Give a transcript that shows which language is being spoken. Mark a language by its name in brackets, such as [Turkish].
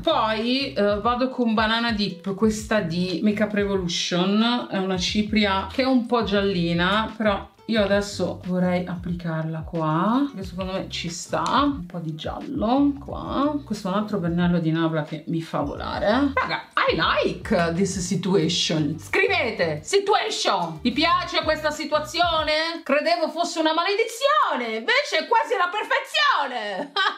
[Italian] Poi vado con Banana Dip, questa di Makeup Revolution. È una cipria che è un po' giallina, però io adesso vorrei applicarla qua, che secondo me ci sta, un po' di giallo qua. Questo è un altro pennello di Nabla che mi fa volare. [English] Raga, I like this situation. [Italian] Scrivete, situation, vi piace questa situazione? Credevo fosse una maledizione, invece è quasi la perfezione.